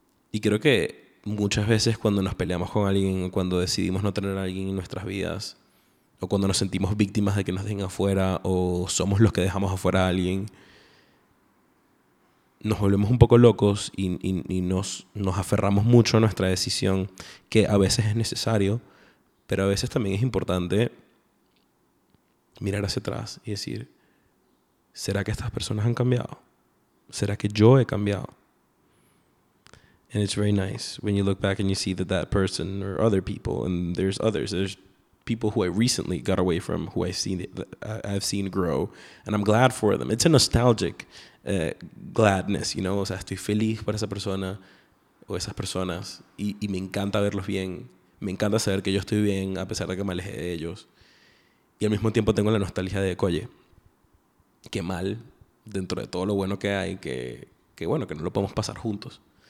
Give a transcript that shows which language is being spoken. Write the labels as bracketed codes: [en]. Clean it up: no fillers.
[es] Y creo que muchas veces cuando nos peleamos con alguien, cuando decidimos no tener a alguien en nuestras vidas, o cuando nos sentimos víctimas de que nos dejen afuera, o somos los que dejamos afuera a alguien, nos volvemos un poco locos y nos aferramos mucho a nuestra decisión, que a veces es necesario, pero a veces también es importante mirar hacia atrás y decir, ¿será que estas personas han cambiado? ¿Será que yo he cambiado? [en] And it's very nice when you look back and you see that that person or other people, and there's others, there's people who I recently got away from, who I've seen grow, and I'm glad for them. It's a nostalgic gladness, you know. [es] O sea, estoy feliz por esa persona o esas personas, y me encanta verlos bien. Me encanta saber que yo estoy bien a pesar de que me alejé de ellos. Y al mismo tiempo tengo la nostalgia de, oye, qué mal, dentro de todo lo bueno que hay, que bueno, que no lo podemos pasar juntos.